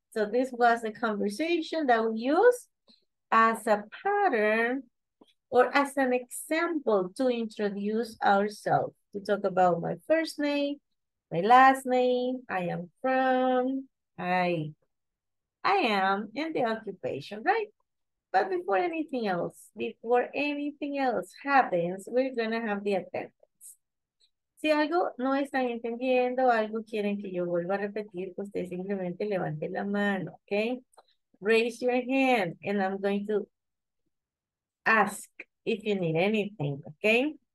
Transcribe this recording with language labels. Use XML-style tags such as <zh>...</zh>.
<en>So this was the conversation that we use as a pattern or as an example to introduce ourselves, to talk about my first name, my last name, I am from, I am, and the occupation, right? But before anything else happens, we're gonna have the attendance.</en> <es>Si algo no están entendiendo, algo quieren que yo vuelva a repetir, usted simplemente levante la mano, okay?</es> <en>Raise your hand, and I'm going to ask if you need anything, okay?</en>